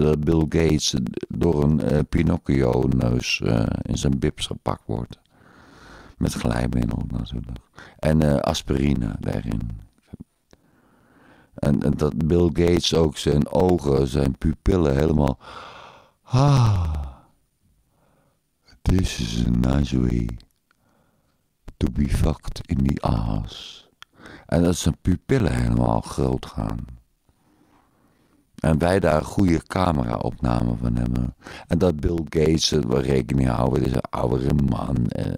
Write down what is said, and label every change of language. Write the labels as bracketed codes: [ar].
[nl] Bill Gates door een Pinocchio neus in zijn bibs gepakt wordt. Met glijmiddel natuurlijk. En aspirine daarin. En dat Bill Gates ook zijn ogen, zijn pupillen helemaal... [en] Ah, this is a nice way to be fucked in the ass. [nl] En dat zijn pupillen helemaal groot gaan. En wij daar goede camera-opname van hebben. En dat Bill Gates er wel rekening houden, is een oudere man.